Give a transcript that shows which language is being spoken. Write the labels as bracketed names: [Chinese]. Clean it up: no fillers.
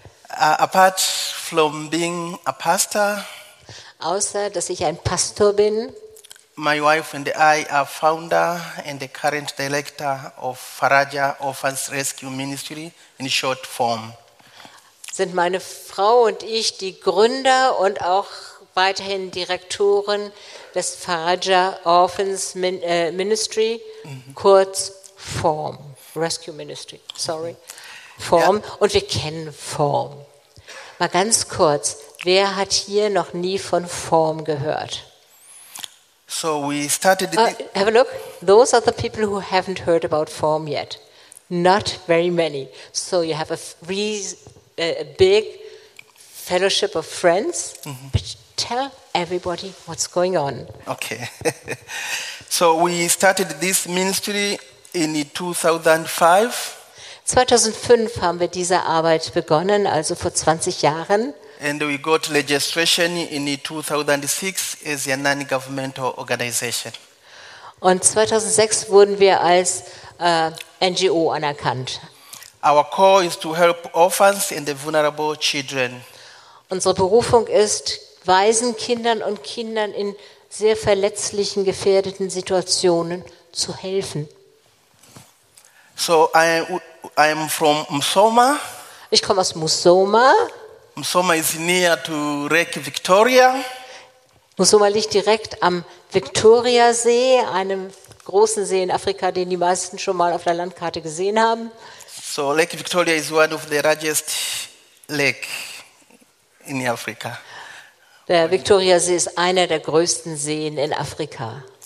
[English] Apart from being a pastor. [German] Außer dass ich ein Pastor bin. [English] My wife and I are founder and the current director of Faraja Orphans Rescue Ministry in short form. [German] Sind meine Frau und ich die Gründer und auch weiterhin Direktoren des Faraja Orphans Ministry, kurz Form, Rescue Ministry, sorry, Form. Ja. Und wir kennen Form. Mal ganz kurz, wer hat hier noch nie von Form gehört? [English] So we started. Have a look. Those are the people who haven't heard about Form yet. Not very many. So you have a big fellowship of friends. Mm-hmm. Tell everybody what's going on. Okay. So we started this ministry in 2005. [German] 2005 haben wir diese Arbeit begonnen, also vor 20 Jahren. [English] And we got registration in 2006 as a non-governmental organization. [German] Und 2006 wurden wir als NGO anerkannt. [English] Our call is to help orphans and the vulnerable children. [German] Unsere Berufung ist, Waisenkindern und Kindern in sehr verletzlichen, gefährdeten Situationen zu helfen. [English] So, I'm from Musoma. [German] Ich komme aus Musoma. [English] Musoma is near to Lake Victoria. [German] Musoma liegt direkt am Viktoriasee, einem großen See in Afrika, den die meisten schon mal auf der Landkarte gesehen haben. [English] So, Lake Victoria is one of the largest lakes in Africa. [German] Der Viktoriasee ist einer der größten Seen in Afrika.